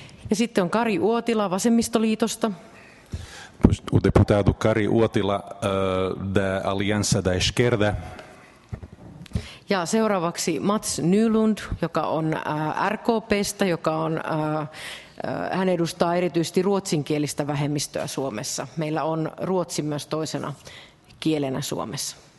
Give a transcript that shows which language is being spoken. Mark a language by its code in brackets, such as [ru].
[fi] Ja sitten on Kari Uotila vasemmistoliitosta. [pt] O deputado Kari Uotila da Aliança da Esquerda. [fi] Ja seuraavaksi Mats Nylund, joka on RKP:stä, joka on hän edustaa erityisesti ruotsinkielistä vähemmistöä Suomessa. Meillä on ruotsi myös toisena kielenä Suomessa.